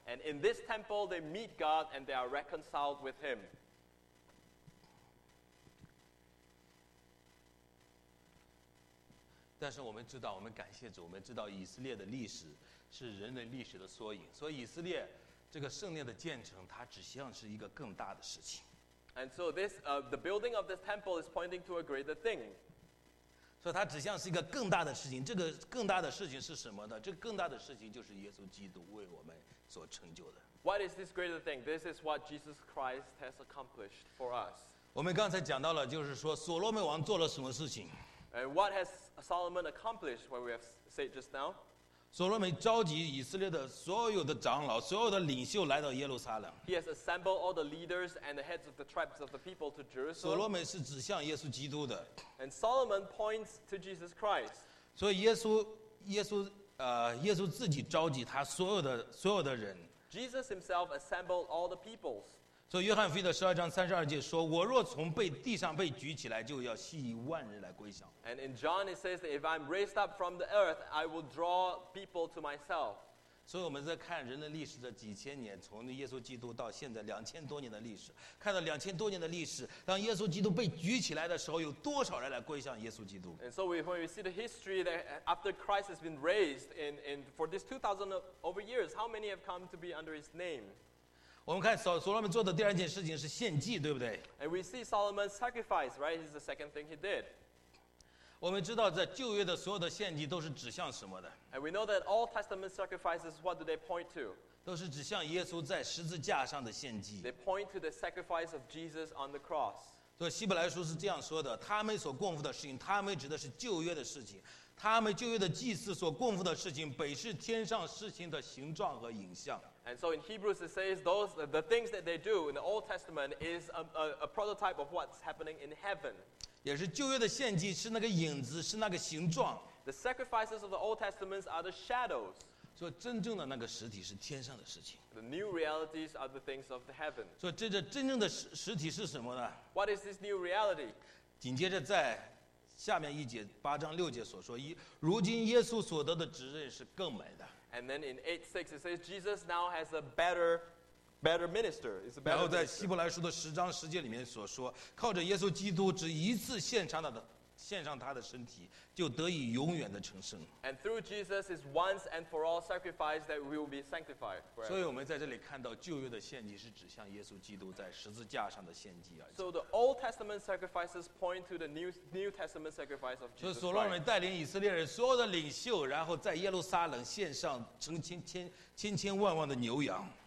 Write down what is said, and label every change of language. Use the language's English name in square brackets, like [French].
[English] And in this temple, they meet God and they are reconciled with Him. [Chinese] 但是我们知道，我们感谢主，我们知道以色列的历史是人类历史的缩影。所以以色列这个圣殿的建成，它指向是一个更大的事情。 [English] And so this, the building of this temple is pointing to a greater thing. So it [Chinese] 指向是一个更大的事情。这个更大的事情是什么呢？这更大的事情就是耶稣基督为我们所成就的。 [English] What is this greater thing? This is what Jesus Christ has accomplished for us. [Chinese] 我们刚才讲到了，就是说所罗门王做了什么事情。 [English] And what has Solomon accomplished? What we have said just now. [Chinese] 所罗门召集以色列的所有的长老，所有的领袖来到耶路撒冷。 [English] He has assembled all the leaders and the heads of the tribes of the people to Jerusalem. [Chinese] 所罗门是指向耶稣基督的。 [English] And Solomon points to Jesus Christ. [Chinese] 所以耶稣自己召集他所有的人。 [English] Jesus himself assembled all the peoples. [Chinese] 所以约翰福音的十二章三十二节说：“我若从被地上被举起来，就要吸引万人来归向。” [English] And in John it says that if I'm raised up from the earth, I will draw people to myself. [Chinese] 所以我们在看人的历史这几千年，从耶稣基督到现在两千多年的历史，看到两千多年的历史，当耶稣基督被举起来的时候，有多少人来归向耶稣基督 [English] ？And so when we see the history that after Christ has been raised in for these 2,000 over years, how many have come to be under His name? [Chinese] 我们看所罗门做的第二件事情是献祭，对不对 [English] ？And we see Solomon's sacrifice, right? It's the second thing he did. [Chinese] 我们知道在旧约的所有的献祭都是指向什么的 [English] ？And we know that all Testament sacrifices, what do they point to? [Chinese] 都是指向耶稣在十字架上的献祭。 [English] They point to the sacrifice of Jesus on the cross. [Chinese] 所以希伯来书是这样说的：他们所供奉的事情，他们指的是旧约的事情。他们旧约的祭司所供奉的事情，本是天上事情的形状和影像。 [English] And so in Hebrews it says those the things that they do in the Old Testament is a prototype of what's happening in heaven. [Chinese] 也是旧约的献祭是那个影子，是那个形状。 [English] The sacrifices of the Old Testament are the shadows. [Chinese] 所以真正的那个实体是天上的事情。 [English] The new realities are the things of the heaven. [Chinese] 所以这真正的实体是什么呢 [English] ？What is this new reality? [Chinese] 紧接着在。下面一节八章六节所说，如今耶稣所得的职任是更美的。 [English] And then in 8:6 it says Jesus now has a better minister. It's a better. [Chinese] 然后在希伯来书的十章十节里面所说，靠着耶稣基督只一次献上他的身体，就得以永远的成圣。 [English] And through Jesus is once and for all sacrifice that will be sanctified. [Chinese] 所以我们在这里看到旧约的献祭是指向耶稣基督在十字架上的献祭而已。 [English] So the Old Testament sacrifices point to the New Testament sacrifice of Jesus Christ. [Chinese] 所以所罗门带领以色列人所有的领袖，然后在耶路撒冷献上成千千千千万万的牛羊。